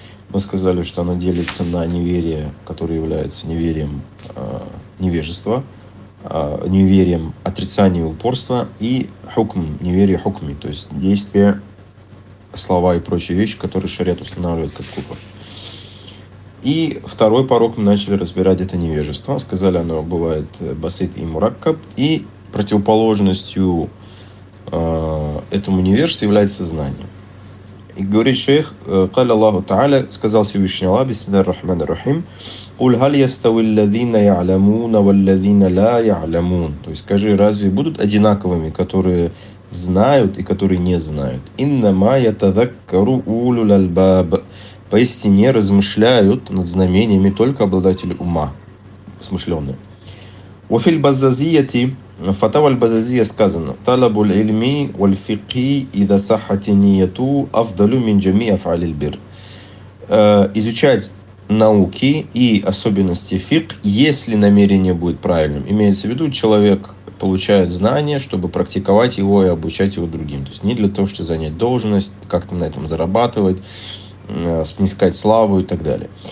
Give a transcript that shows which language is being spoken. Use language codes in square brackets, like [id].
[ru] Мы сказали, что оно делится на неверие, которое является неверием невежества, неверием отрицания и упорства, и хукм, неверие хукми, то есть действия, слова и прочие вещи, которые шариат устанавливает как куфр. И второй порог мы начали разбирать, это невежество. Сказали, оно бывает басит и мураккаб, и противоположностью этому невежеству является знание. И говорит шейх, [ar] قال الله تعالى, [ru] сказал Всевышний Аллах, [ar] бисмиллахир рахманир рахим, قل هل يستوي الذين يعلمون والذين لا يعلمون. [ru] То есть скажи, разве будут одинаковыми, которые знают и которые не знают? [ar] إنما يتذكر أولو الألباب. [ru] Поистине размышляют над знамениями только обладатели ума, смышленные. [ar] وفي البزازية فتاوى البزازية [ru] сказано: [ar] طلب العلم والفقه إذا صحت نيته أفضل من جميع أفعال البر. [ru] Изучать науки и особенности фик, если намерение будет правильным. Имеется в виду, человек получает знания, чтобы практиковать его и обучать его другим. То есть не для того, чтобы занять должность, как-то на этом зарабатывать, снискать славу и так далее.